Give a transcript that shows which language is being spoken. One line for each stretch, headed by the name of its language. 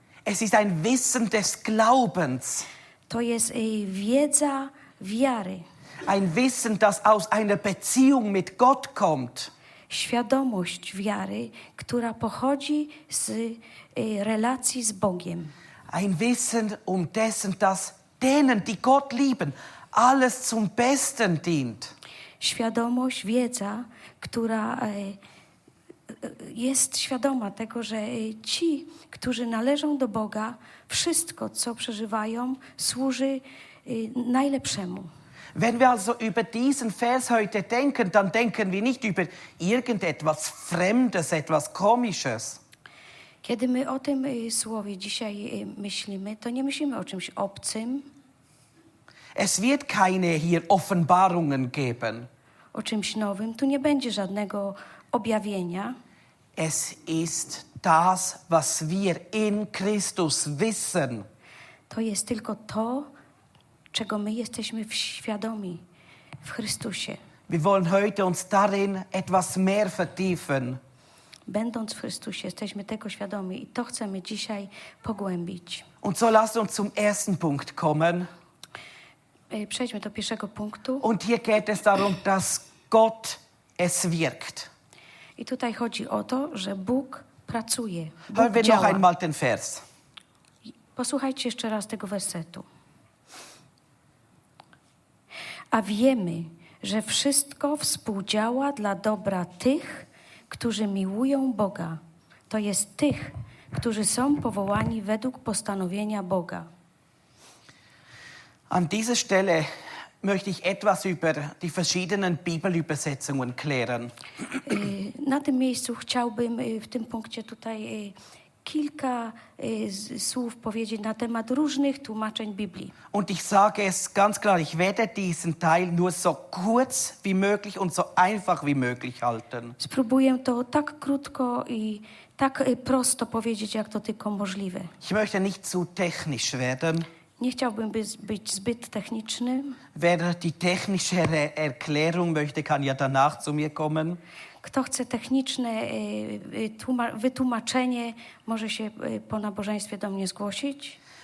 German: Es ist ein Wissen des Glaubens.
Polish: To jest wiedza wiary.
German: Ein Wissen, das aus einer Beziehung mit Gott kommt.
Polish: Świadomość wiary, która pochodzi z relacji z Bogiem.
German: Ein Wissen um dessen, dass denen, die Gott lieben, alles zum Besten dient.
Polish: Świadomość, wiedza, która jest świadoma tego, że ci, którzy należą do Boga, wszystko, co przeżywają, służy najlepszemu.
German: Wenn wir also über diesen Vers heute denken, dann denken wir nicht über irgendetwas Fremdes, etwas Komisches.
Polish: Kiedy my o tym słowie dzisiaj myślimy, to nie myślimy o czymś obcym.
German: Es wird keine hier Offenbarungen geben.
Polish: O czymś nowym tu nie będzie żadnego objawienia.
German: Es ist das, was wir in Christus wissen.
Polish: To jest tylko to, czego my jesteśmy świadomi w Chrystusie.
German: Wir wollen heute uns darin etwas mehr vertiefen.
Polish: Będąc w Chrystusie, jesteśmy tego świadomi i to chcemy dzisiaj pogłębić.
German: Und so lasst uns zum ersten Punkt kommen.
Polish: Przejdźmy do pierwszego punktu.
German: Und hier geht es darum, dass Gott es wirkt.
Polish: I tutaj chodzi o to, że Bóg pracuje.
German: Hören wir noch einmal den Vers.
Polish: Posłuchajcie jeszcze raz tego wersetu. A wiemy, że wszystko współdziała dla dobra tych, którzy miłują Boga, to jest tych, którzy są powołani według postanowienia Boga.
German: An dieser Stelle möchte ich etwas über die verschiedenen Bibelübersetzungen klären.
Polish: Na tym miejscu chciałbym w tym punkcie tutaj kilka słów powiedzieć na temat różnych tłumaczeń Biblii.
German: Und ich sage es ganz klar, ich werde diesen Teil nur so kurz wie möglich und so einfach wie möglich halten.
Polish: Spróbuję to tak krótko i tak prosto powiedzieć, jak to tylko możliwe.
German: Ich möchte nicht zu technisch werden.
Polish: Nie chciałbym być zbyt techniczny.
German: Wer die technische Erklärung möchte, kann ja danach zu mir kommen.
Polish: Kto chce techniczne wytłumaczenie, może się po nabożeństwie do mnie zgłosić.